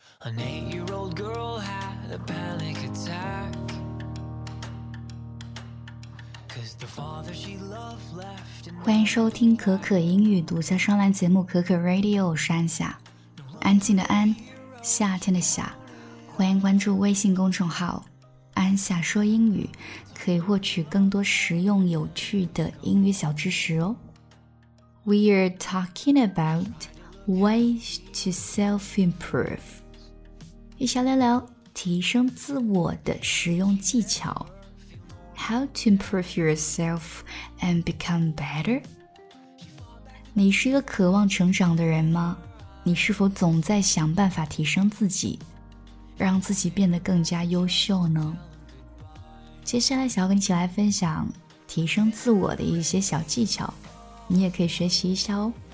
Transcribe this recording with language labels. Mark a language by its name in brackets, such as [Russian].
[English] An 8-year-old girl had a panic attack. Cause the father she loved left. [Chinese] 欢迎收听可可英语独家商栏节目可可 Radio 山下，安静的安，夏天的夏。欢迎关注微信公众号安夏说英语，可以获取更多实用有趣的英语小知识哦。 [English] We are talking about ways to self-improve. [Chinese] 一起聊聊提升自我的实用技巧。 [English] How to improve yourself and become better? [Chinese] 你是一个渴望成长的人吗？你是否总在想办法提升自己，让自己变得更加优秀呢？接下来想要跟你一起来分享提升自我的一些小技巧，你也可以学习一下哦。